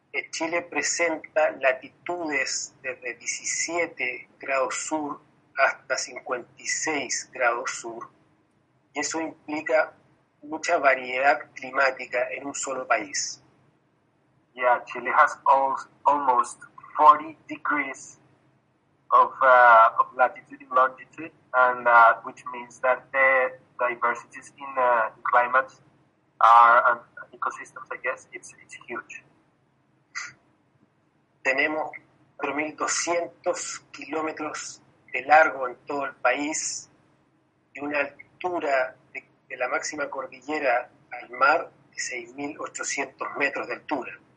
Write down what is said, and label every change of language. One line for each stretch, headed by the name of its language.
Spanish: Chile presenta latitudes desde 17 grados sur hasta 56 grados sur, y eso implica mucha variedad climática en un solo país.
English: Yeah, Chile has almost 40 degrees of latitude and longitude, and which means that the diversities in climates are and ecosystems, I guess, it's huge.
Spanish: Tenemos 4.200 kilómetros de largo en todo el país y una altura de la máxima cordillera al mar de 6.800 metros de altura.